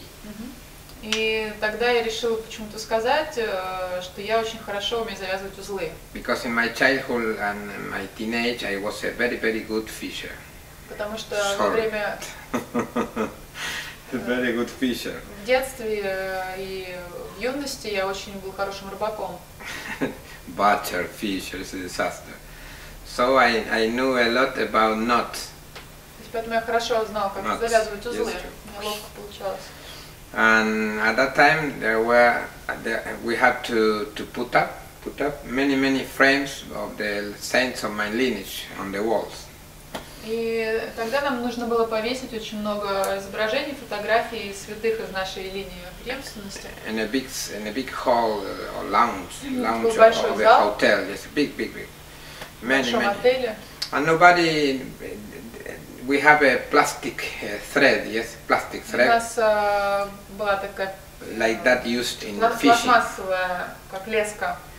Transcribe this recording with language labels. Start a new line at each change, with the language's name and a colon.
Russian: Mm-hmm. И тогда я решил почему-то сказать, что я очень хорошо умею завязывать узлы.
English: Because in my childhood and my teenage I was a very, very good fisher.
Russian: Потому что во время.
English: Very good fisher.
Russian: В детстве и в юности я очень был хорошим рыбаком.
English: Butcher, fisher, it's a disaster. So I knew a lot about knots.
Russian: Поэтому я хорошо знал, как завязывать узлы. Неловко получалось.
English: And at that time we had to put up many frames of the saints of my lineage on the walls.
Russian: И тогда нам нужно было повесить очень много изображений, фотографий святых из нашей линии преемственности.
English: In a big hall or lounge of a hotel, yes, big. Many. And nobody, we have a plastic thread, yes, plastic thread.
Russian: У нас была такая.
English: Like that used in fishing.
Russian: Пластмассовая, как леска.